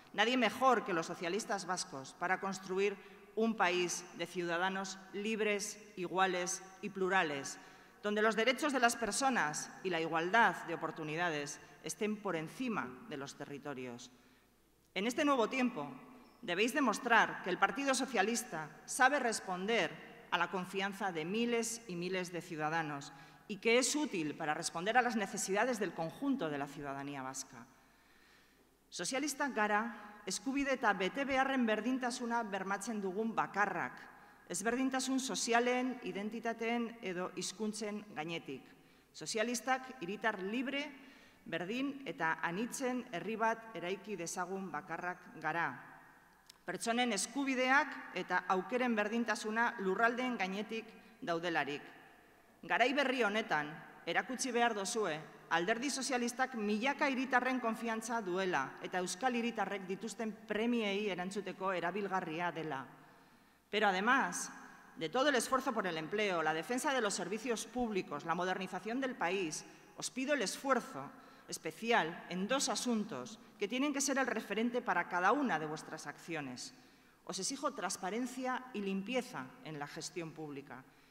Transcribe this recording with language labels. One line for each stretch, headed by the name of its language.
Spanish: Nadie mejor que los socialistas vascos para construir un país de ciudadanos libres, iguales y plurales, donde los derechos de las personas y la igualdad de oportunidades estén por encima de los territorios. En este nuevo tiempo, debéis demostrar que el Partido Socialista sabe responder a la confianza de miles y miles de ciudadanos y que es útil para responder a las necesidades del conjunto de la ciudadanía vasca.
Basque: Sozialistak gara, eskubide eta bete beharren berdintasuna bermatzen dugun bakarrak, ezberdintasun sozialen, identitateen edo hizkuntzen gainetik. Sozialistak hiritar libre, berdin eta anitzen herri bat eraiki dezagun bakarrak gara. Pertsonen eskubideak eta aukeren berdintasuna lurraldeen gainetik daudelarik. Garai berri honetan, erakutsi behar dozue, alderdi sozialistak milaka hiritarren konfiantza duela eta euskal hiritarrek dituzten premiei erantzuteko erabilgarria dela.
Spanish: Pero además, de todo el esfuerzo por el empleo, la defensa de los servicios públicos, la modernización del país, os pido el esfuerzo especial en dos asuntos que tienen que ser el referente para cada una de vuestras acciones. Os exijo transparencia y limpieza en la gestión pública.